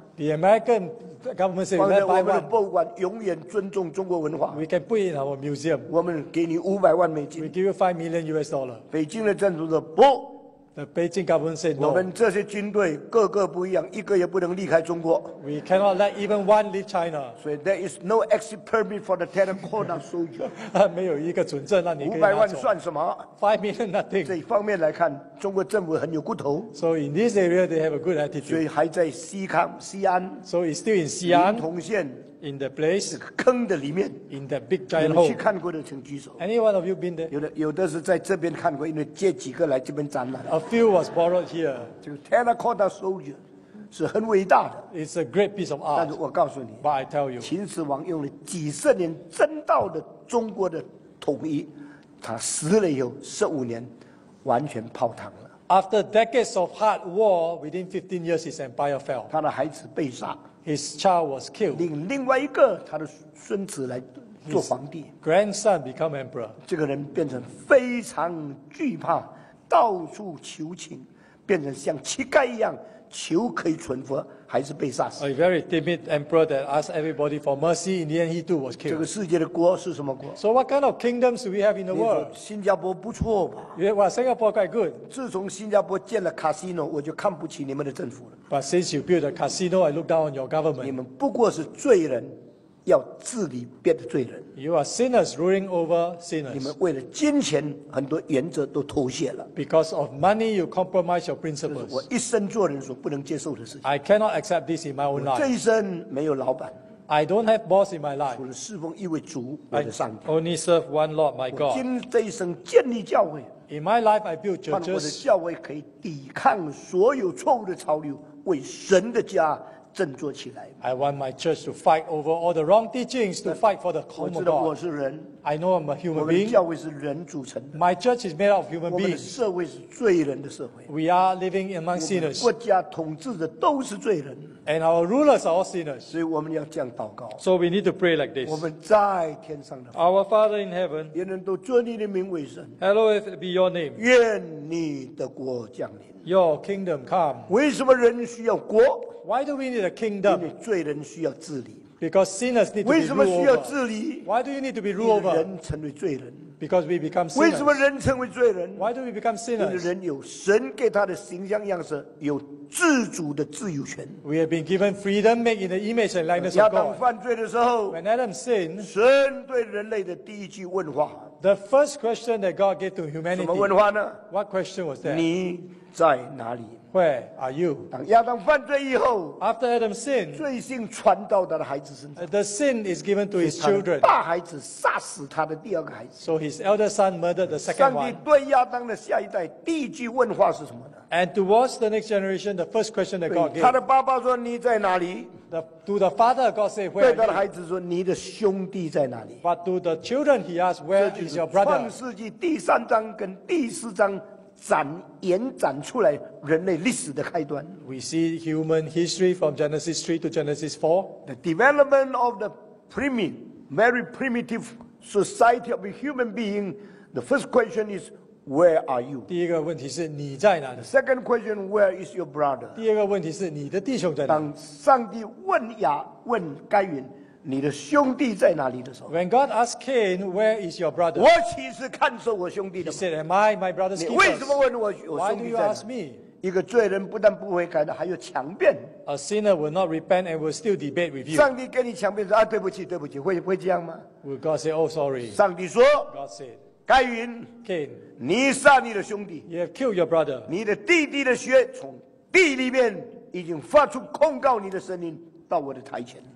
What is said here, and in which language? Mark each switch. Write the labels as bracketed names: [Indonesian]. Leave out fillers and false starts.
[English] ？The American Government said, [Chinese] 放在我们的博物馆，永远尊重中国文化。 [English] We can put in our museum. [Chinese] 我们给你500万美金。 [English] We give you $5 million. [Chinese] 北京的政府说不。 [English] The Beijing government said no. [Chinese] 我们这些军队个个不一样，一个也不能离开中国。 [English] We cannot let even one leave China. So there is no exit permit for the terracotta soldier. [Chinese] 没有一个准证让你可以拿走。 500万算什么 [English] ？5 million nothing. [Chinese] 这方面来看，中国政府很有骨头。 [English] So in this area, they have a good attitude. [Chinese] 所以还在西康、西安。 [English] So it's still in Xi'an. [Chinese] 临潼县。 [English] In the place, [Chinese] 坑的里面 [English] in the big giant hole. [Chinese] 你们去看过的请举手。 [English] Any one of you been there? [Chinese] 有的是在这边看过，因为借几个来这边展览。 [English] A few was borrowed here. [Chinese] 这个 terracotta soldier 是很伟大的。 [English] It's a great piece of art. [Chinese] 但是我告诉你 [English] ，But I tell you, [Chinese] 秦始皇用了几十年争到的中国的统一，他死了以后15年，完全泡汤了。 [English] After decades of hard war, within 15 years, his empire fell. [Chinese] 他的孩子被杀。 [English] His child was killed. [Chinese] 另外一个他的孙子来做皇帝。 [English] His grandson become emperor. [Chinese] 这个人变成非常惧怕，到处求情，变成像乞丐一样求可以存活，还是被杀死。 [English] A very timid emperor that asked everybody for mercy. In the end, he too was killed. [Chinese] 这个世界的国是什么国 [English] ？So what kind of kingdoms do we have in the world? [Chinese] 新加坡不错吧 [English] ？Yeah, well, Singapore quite good. [Chinese] 自从新加坡建了 casino， 我就看不起你们的政府了。 [English] But since you built a casino, I look down on your government. [Chinese] 你们不过是罪人，要治理别的罪人。 [English] You are sinners ruling over sinners. [Chinese] 你们为了金钱，很多原则都妥协了。 [English] Because of money, you compromise your principles. [Chinese] 这是我一生做人所不能接受的事情。 [English] I cannot accept this in my own life. [Chinese] 我这一生没有老板。 [English] I don't have boss in my life. [Chinese] 除了侍奉一位主，我的上帝。 [English] I only serve one Lord, my God. [Chinese] 今这一生建立教会。 [English] In my life, I build churches. [Chinese] 我的教会可以抵抗所有错误的潮流，为神的家振作起来。 [English] I want my church to fight over all the wrong teachings, to fight for the common God. [Chinese] 我知道我是人。 [English] I know I'm a human being. [Chinese] 我们教会是人组成的。 [English] My church is made up of human beings. [Chinese] 我们的社会是罪人的社会。 [English] We are living among sinners. [Chinese] 国家统治的都是罪人。 [English] And our rulers are all sinners. [Chinese] 所以我们要这样祷告。 [English] So we need to pray like this. [Chinese] 我们在天上的。 [English] Our Father in heaven. [Chinese] 人人都尊你的名为神。 [English] Hallowed be your name. [Chinese] 愿你的国降临。 [English] Your kingdom come. [Chinese] 为什么人需要国？ [English] Why do we need a kingdom? [Chinese] 因为罪人需要治理。 [English] Because sinners need to be ruled over. [Chinese] 为什么需要治理？ [English] Why do you need to be ruled over? [Chinese] 人成为罪人。 [English] Because we become sinners. [Chinese] 为什么人成为罪人？ [English] Why do we become sinners? [Chinese] 因为人有神给他的形象样式，有自主的自由权。 [English] We have been given freedom made in the image and likeness of God. [Chinese] 亚当犯罪的时候， [English] When Adam sinned, [Chinese] 神对人类的第一句问话， [English] The first question that God gave to humanity. [Chinese] 什么问话呢？ [English] What question was that? [Chinese] 你在哪里？ [English] Where are you? [Chinese] 当亚当犯罪以后， [English] After Adam sinned, [Chinese] 罪性传到他的孩子身上。 [English] The sin is given to his children. [Chinese] 大孩子杀死他的第二个孩子。 [English] So his elder son murdered the second one. [Chinese] 上帝对亚当的下一代第一句问话是什么呢？ [English] And towards the next generation, the first question that God gave. [Chinese] 他的爸爸说你在哪里？ [English] To the father, God said, where are you? [Chinese] 对他的孩子说你的兄弟在哪里？ [English] But to the children, he asked, where is your brother? [Chinese] 创世纪第三章跟第四章延展出来人类历史的开端。 [English] We see human history from Genesis 3 to Genesis 4. The development of the primitive, very primitive society of a human being. The first question is, where are you? [Chinese] 第一个问题是你在哪里？ [English] The second question, where is your brother? [Chinese] 第二个问题是你的弟兄在哪里？当上帝问亚问该隐，你的兄弟在哪里的时候？ [English] When God asked Cain, where is your brother? [Chinese] 我岂是看守我兄弟的？ [English] He said, am I my brother's keeper? [Chinese] 你为什么问我兄弟在哪？ [English] Why do you ask me? [Chinese] 一个罪人不但不悔改的，还要强辩。 [English] A sinner will not repent and will still debate with you. [Chinese] 上帝跟你强辩说啊，对不起，对不起，会这样吗？ [English] Will God say, oh, sorry? [Chinese] 上帝说， [English] God said, [Chinese] 该隐， [English] Cain, [Chinese] 你杀你的兄弟， [English] you have killed your brother. [Chinese] 你的弟弟的血从地里面已经发出控告你的声音到我的台前。